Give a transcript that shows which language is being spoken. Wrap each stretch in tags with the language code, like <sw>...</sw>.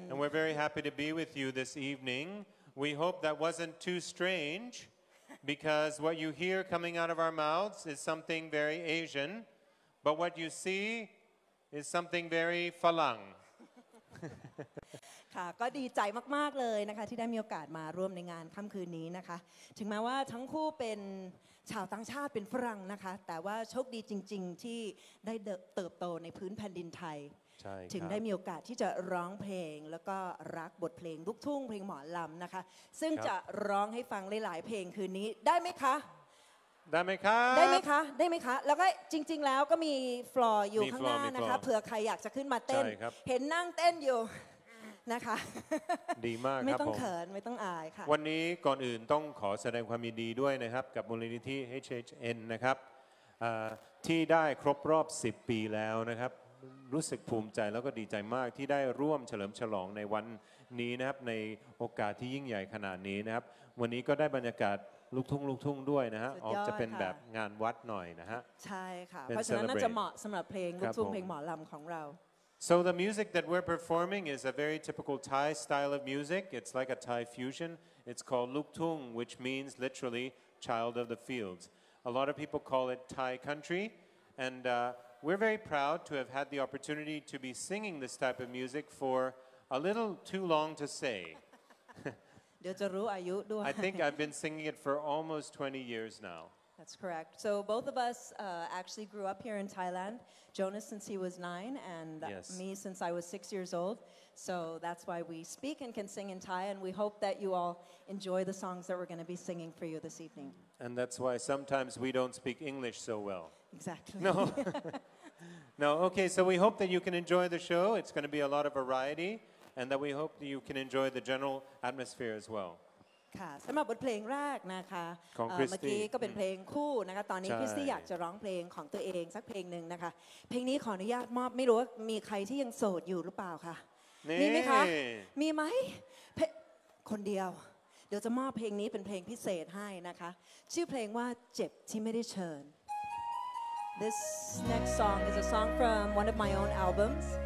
<en>and we're very happy to be with you this evening we hope that wasn't too strange because what you hear coming out of our mouths is something very Asian but what you see is something very Phalang</en> <th>ค่ะก็ดีใจมากๆเลยนะคะที่ได้มีโอกาสมาร่วมในงานค่ำคืนนี้นะคะถึงแม้ว่าทั้งคู่เป็นชาวต่างชาติเป็นฝรั่งนะคะแต่ว่าโชคดีจริงๆที่ได้เติบโตในพื้นแผ่นดินไทย ใช่ครับ ถึงได้มีโอกาสที่จะร้องเพลงแล้วก็รักบทเพลงลูกทุ่งเพลงหมอลำนะคะซึ่งจะร้องให้ฟังหลายๆเพลงคืนนี้ได้มั้ยคะ ได้ไหมคะ ได้ไหมคะได้ไหมคะแล้วก็จริงๆแล้วก็มีฟลอร์อยู่ข้างหน้านะคะเผื่อใครอยากจะขึ้นมาเต้ นเห็นนั่งเต้นอยู่นะคะ ดีมากครับ ไม่ต้องเขินไม่ต้องอายค่ะ วันนี้ก่อนอื่นต้องขอแสดงความยินดีด้วยนะครับกับมูลนิธิ HHN นะครับที่ได้ครบรอบ10ปีแล้วนะครับรู้สึกภูมิใจแล้วก็ดีใจมากที่ได้ร่วมเฉลิมฉลองในวันนี้นะครับในโอกาสที่ยิ่งใหญ่ขนาดนี้นะครับวันนี้ก็ได้บรรยากาศลูกทุ่งลูกทุ่งด้วยนะฮะออกจะเป็นแบบงานวัดหน่อยนะฮะ ใช่ค่ะเพราะฉะนั้นน่าจะเหมาะสำหรับเพลงลูกทุ่งเพลงหมอลำของเรา</th> <en>So the music that we're performing is a very typical Thai style of music it's like a Thai fusion it's called Luk Thung which means literally child of the fields a lot of people call it Thai country and we're very proud to have had the opportunity to be singing this type of music for a little too long to say</en> <th>เดี๋ยวจะรู้อายุด้วย</th> <en>I think I've been singing it for almost 20 years now. That's correct. So both of us actually grew up here in Thailand. Jonas since he was 9 and yes. me since I was 6 years old. So that's why we speak and can sing in Thai and we hope that you all enjoy the songs that we're going to be singing for you this evening. And that's why sometimes we don't speak English so well. Exactly. No. No, okay, so we hope that you can enjoy the show. It's going to be a lot of variety. And that we hope that you can enjoy the general atmosphere as well.</en> <th>ค่ะสำหรับบทเพลงแรกนะคะ ของคริสตี้ เมื่อกี้ก็เป็นเพลงคู่นะคะตอนนี้คริสตี้อยากจะร้องเพลงของตัวเองสักเพลงนึงนะคะเพลงนี้ขออนุญาตมอบไม่รู้ว่ามีใครที่ยังโสดอยู่หรือเปล่าคะ มี ไ หมคะ มีไหมคนเดียวเดี๋ยวจะมอบเพลงนี้เป็นเพลงพิเศษให้นะคะชื่อเพลงว่าเจ็บที่ไม่ได้เชิญ</th> <en>This next song is a song from one of my own albums.</en>